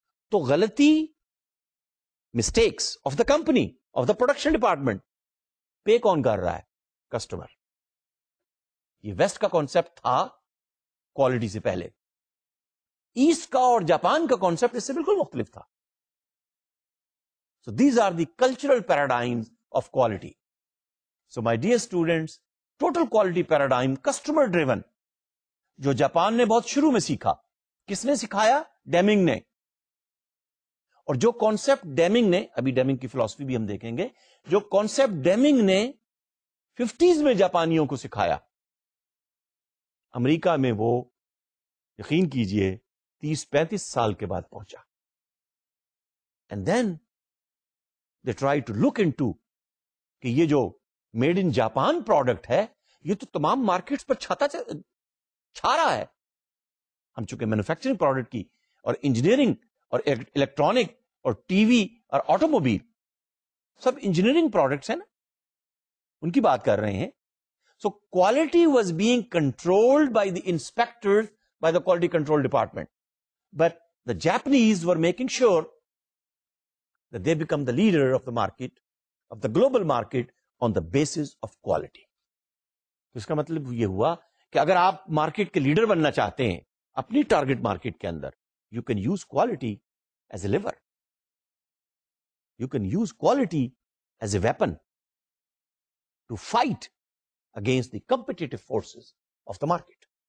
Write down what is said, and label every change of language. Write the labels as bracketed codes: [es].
[ur] تو غلطی, [en] mistakes of the company, of the production department, [ur] پے کون کر رہا ہے, کسٹمر. یہ ویسٹ کا کانسیپٹ تھا کوالٹی سے پہلے. ایسٹ کا اور جاپان کا کانسیپٹ اس سے بالکل مختلف تھا. [en] So these are the cultural paradigms of quality. So my dear students, [ur] total quality paradigm customer driven جو جاپان نے بہت شروع میں سیکھا, کس نے سکھایا, ڈیمنگ نے. اور جو کانسیپٹ ڈیمنگ نے, ابھی ڈیمنگ کی فلسفی بھی ہم دیکھیں گے, جو کانسیپٹ ڈیمنگ نے 50s میں جاپانیوں کو سکھایا, امریکہ میں وہ یقین کیجئے 30-35 سال کے بعد پہنچا. [en] and then they try to look in to [ur] کہ یہ جو میڈ ان جاپان پروڈکٹ ہے یہ تو تمام مارکیٹس پر چھا رہا ہے. ہم چونکہ مینوفیکچرنگ پروڈکٹ کی اور انجینئرنگ اور الیکٹرانک اور ٹی وی اور آٹوموبائل سب انجینئرنگ پروڈکٹس ہیں نا, ان کی بات کر رہے ہیں. [en] So quality was being controlled by the inspectors by the quality control department, but the Japanese were making sure that they become the leader of the market of the global market on the basis of quality. [ur] اس کا مطلب یہ ہوا کہ اگر آپ market کے leader بننا چاہتے ہیں اپنی ٹارگٹ مارکیٹ کے اندر, [en] You can use quality as a lever, you can use quality as a weapon to fight against the competitive forces of the market.